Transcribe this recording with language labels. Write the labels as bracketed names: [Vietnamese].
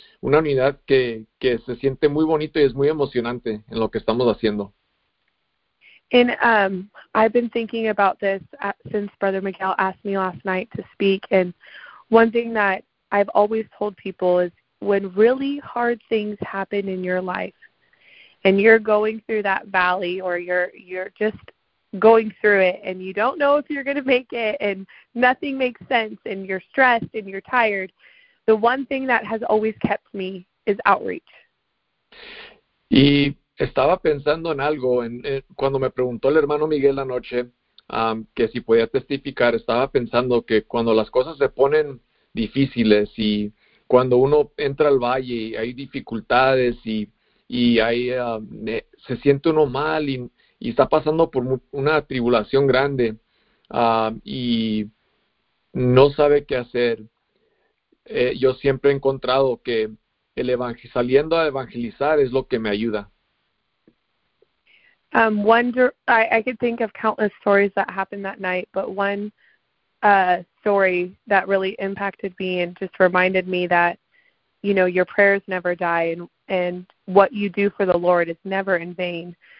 [Spanish] Una unidad que se siente muy bonito y es muy emocionante en lo que estamos haciendo. [English] And I've been thinking about this since Brother Miguel asked me last night to speak. And one thing that I've always told people is when really hard things happen in your life and you're going through that valley, or you're just going through it and you don't know if you're going to make it and nothing makes sense and you're stressed and you're tired, the one thing that has always kept me is outreach. [Spanish] Y estaba pensando en algo, cuando me preguntó el hermano Miguel la noche que si podía testificar, estaba pensando que cuando las cosas se ponen difíciles y cuando uno entra al valle y hay dificultades y hay se siente uno mal y está pasando por una tribulación grande y no sabe qué hacer, yo siempre he encontrado que saliendo a evangelizar es lo que me ayuda. [English] I could think of countless stories that happened that night, but one story that really impacted me and just reminded me that, you know, your prayers never die and what you do for the Lord is never in vain.